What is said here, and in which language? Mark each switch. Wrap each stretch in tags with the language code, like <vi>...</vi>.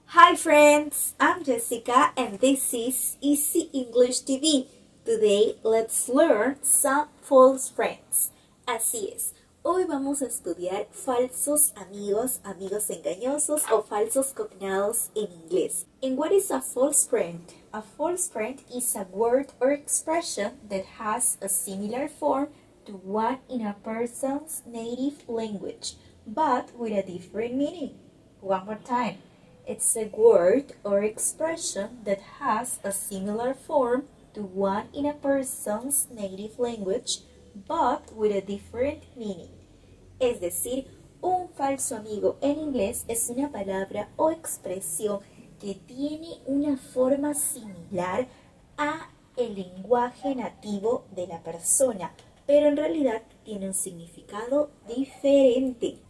<en>Hi friends, I'm Jessica and this is Easy English TV. Today let's learn some false friends.</en> <es>Así es, hoy vamos a estudiar falsos amigos, amigos engañosos o falsos cognados en inglés.</es> <en>And what is a false friend? A false friend is a word or expression that has a similar form to one in a person's native language, but with a different meaning. One more time. It's a word or expression that has a similar form to one in a person's native language, but with a different meaning.</en> <es>Es decir, un falso amigo en inglés es una palabra o expresión que tiene una forma similar a el lenguaje nativo de la persona, pero en realidad tiene un significado diferente.</es>